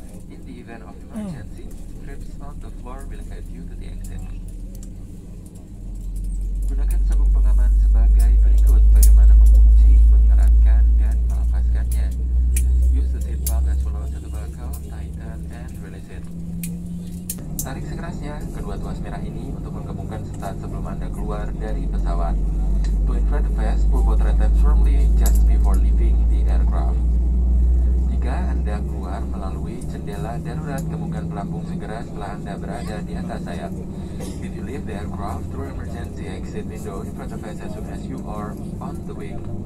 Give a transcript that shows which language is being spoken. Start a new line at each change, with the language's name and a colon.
English: In the event of emergency, strips on the floor will guide you to the exit.
Indonesian: Gunakan sabuk pengaman sebagai berikut bagaimana mengunci, mengeratkan, dan melepaskannya.
English: Use the seat belt as follows to buckle, tighten, and release it.
Indonesian: Tarik sekerasnya kedua tuas merah ini untuk menggabungkan start sebelum Anda keluar dari pesawat.
English: To inflate the vest, pull both straps firmly just before leaving the aircraft.
Indonesian: Jika Anda keluar melalui jendela darurat, temukan pelampung segera setelah Anda berada di atas sayap.
English: If you leave the aircraft through emergency exit window, inflate the vest as soon as you are on the wing.